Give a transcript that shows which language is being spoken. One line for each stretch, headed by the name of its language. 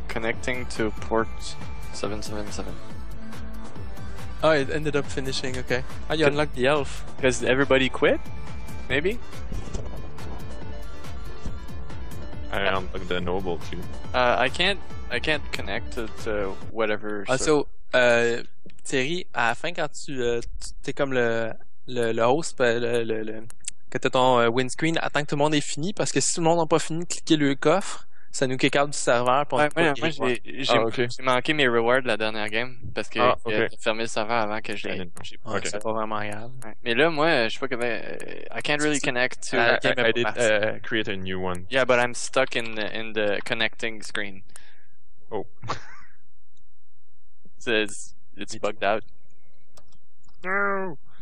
English: Connecting to port 777. Oh, it ended up finishing, okay. Oh, you unlocked the elf. Because everybody quit? Maybe? I unlocked the noble too. I can't connect to whatever.
French: Also, Thierry, à la fin, quand tu t'es comme le host, que t'as ton windscreen, attends que tout le monde ait fini, parce que si tout le monde n'a pas fini, cliquez le coffre. Ça nous
English: kick out
French: du serveur pour J'ai manqué mes rewards la dernière game parce que j'ai fermé le serveur avant que je l'aie. C'est pas vraiment grave. Mais là, moi, je sais pas comment.
English: I can't really connect to
French: la game.
English: I did create a new one. Yeah, but I'm stuck in the connecting screen. Oh. it's bugged out. No!